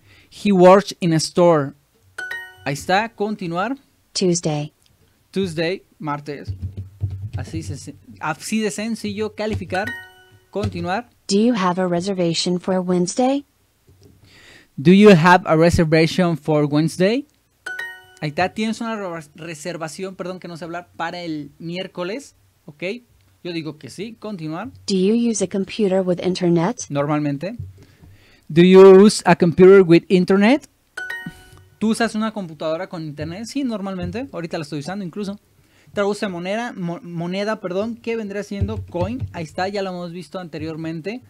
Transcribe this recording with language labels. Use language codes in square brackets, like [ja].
[en] He works in a store. [es] Ahí está. Continuar. [en] Tuesday. [es] Tuesday, martes. Así de sencillo, calificar, continuar. [en] Do you have a reservation for Wednesday? Do you have a reservation for Wednesday? [es] Ahí está, tienes una reservación, perdón que no sé hablar, para el miércoles, ¿ok? Yo digo que sí, continuar. [en] Do you use a computer with internet? [es] Normalmente. [en] Do you use a computer with internet? [es] ¿Tú usas una computadora con internet? Sí, normalmente. Ahorita la estoy usando incluso. Traduce moneda, moneda, ¿qué vendría siendo? Coin. Ahí está, ya lo hemos visto anteriormente.